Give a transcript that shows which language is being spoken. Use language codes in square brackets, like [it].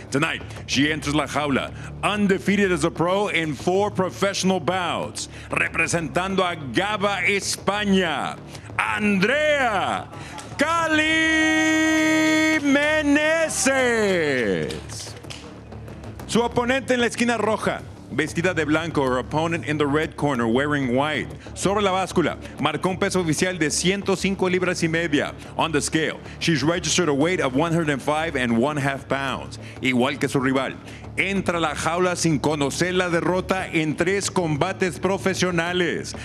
[en] Tonight, she enters [es] la jaula, [en] undefeated as a pro in four professional bouts, [es] representando a GABA España, [en] Andrea Cali Meneses. [es] Su oponente en la esquina roja, vestida de blanco, [en] her opponent in the red corner, wearing white. [es] Sobre la báscula, marcó un peso oficial de 105 libras y media. [en] On the scale, she's registered a weight of 105 and one half pounds. [es] Igual que su rival, entra a la jaula sin conocer la derrota en tres combates profesionales.